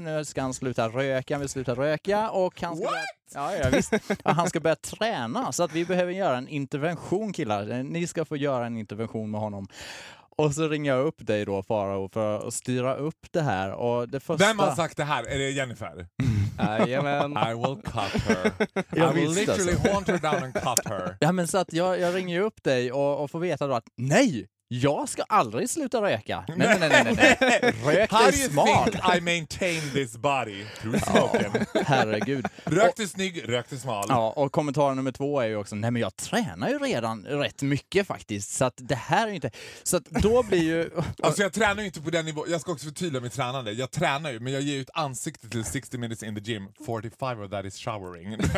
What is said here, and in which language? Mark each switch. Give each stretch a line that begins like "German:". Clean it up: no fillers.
Swedish: Nu ska han sluta röka, han vill sluta röka och han ska börja, han ska börja träna, så att vi behöver göra en intervention, killar. Ni ska få göra en intervention med honom. Och så ringer jag upp dig då, Farao, för att styra upp det här. Och det första... Vem har sagt det här? Är det Jennifer? Jajamän.
English: I will cut her. I will literally haunt her down and cut her.
Swedish: Ja, men så att jag ringer upp dig och får veta då att nej, jag ska aldrig sluta röka. Nej, nej, nej, nej, nej. Rök är smart.
English: How do you think I maintain this body through smoking?
Swedish: Herregud. Rök är snygg, rök är smal. Ja, och kommentar nummer två är ju också, nej men jag tränar ju redan rätt mycket faktiskt. Så att det här är inte... Så att då blir ju... Alltså jag tränar ju inte på den nivå. Jag ska också förtydliga mitt tränande. Jag tränar ju, men jag ger ut ansikte till
English: 60 minutes in the gym. 45 of that is showering.